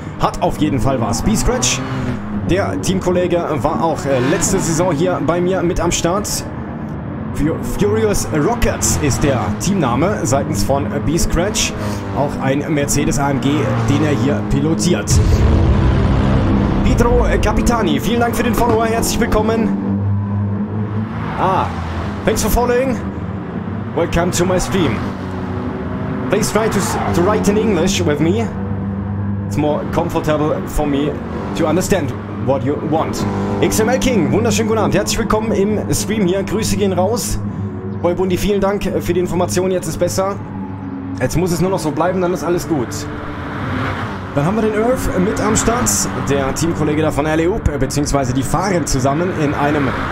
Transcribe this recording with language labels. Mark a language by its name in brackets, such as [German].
[German] Hat auf jeden Fall was. B-Scratch, der Teamkollege, war auch letzte Saison hier bei mir mit am Start. Furious Rockets ist der Teamname seitens von B-Scratch. Auch ein Mercedes AMG, den er hier pilotiert. Pietro Capitani, vielen Dank für den Follower. Herzlich willkommen. [English] Ah, thanks for following. Welcome to my stream. Please try to write in English with me. It's more comfortable for me to understand what you want. [German] XML King, wunderschönen guten Abend. Herzlich willkommen im Stream hier. Grüße gehen raus. Boy Bundy, vielen Dank für die Information. Jetzt ist besser. Jetzt muss es nur noch so bleiben, dann ist alles gut. Dann haben wir den Earth mit am Start. Der Teamkollege da von Alleyoop, beziehungsweise die fahren zusammen in einem...